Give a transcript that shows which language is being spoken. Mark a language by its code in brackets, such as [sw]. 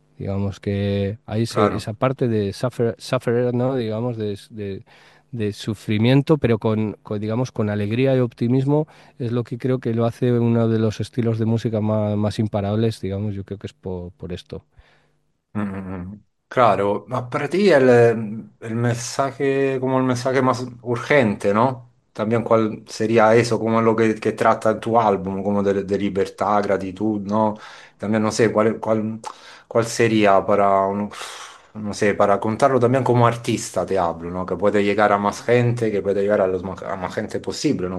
[es] Digamos que hay esa parte de sufferer, ¿no? Digamos, de sufrimiento, pero digamos, con alegría y optimismo, es lo que creo que lo hace uno de los estilos de música más imparables, digamos, yo creo que es por esto. [it] Claro, ma per te il messaggio come il messaggio più urgente, no? [es] También qual sería eso, como lo que trata tu álbum, como de libertad, gratitud, ¿no? También no sé cuál sería para un... no sé, para contarlo también como artista te hablo, ¿no? Que puede llegar a más gente, que puede llegar a más gente posible, ¿no?